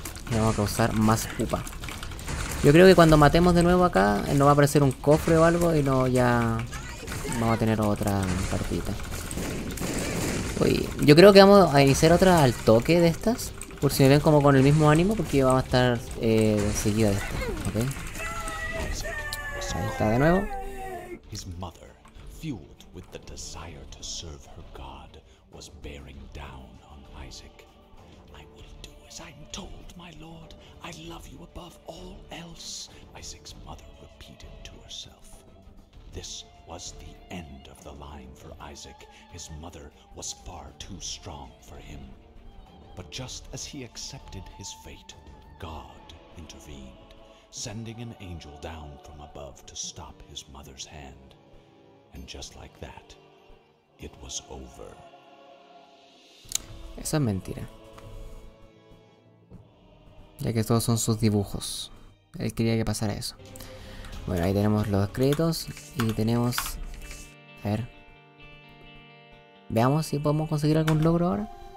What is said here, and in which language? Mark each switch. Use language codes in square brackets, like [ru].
[es] Y vamos a causar más pupa. Yo creo que cuando matemos de nuevo acá, nos va a aparecer un cofre o algo y no ya vamos a tener otra partida. Uy, yo creo que vamos a iniciar otra al toque de estas, por si me ven como con el mismo ánimo, porque vamos a estar enseguida de esta, ¿ok? Ahí está de nuevo. [en] His mother, fueled with the desire to serve her god, was bearing down on Isaac. I will do as I'm told, my lord. I love you above all else, Isaac's mother repeated to herself. This was the end of the line for Isaac. His mother was far too strong for him. But just as he accepted his fate, God intervened, sending an angel down from above to stop his mother's hand. And just like that, it was over. [es] Esa es mentira. Ya que todos son sus dibujos. Él quería que pasara eso. Bueno, ahí tenemos los créditos. Y tenemos... A ver. Veamos si podemos conseguir algún logro ahora.